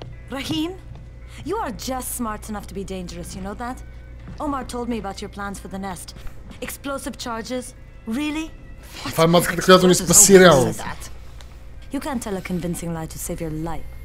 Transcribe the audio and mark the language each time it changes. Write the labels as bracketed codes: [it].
[en] Rahim, you are just smart enough to be dangerous, you know that? Omar told me about your plans for the nest. Explosive charges? Really? [bg] Това е мацката, която ни спаси реално. [en] You can't tell a convincing lie to save your life.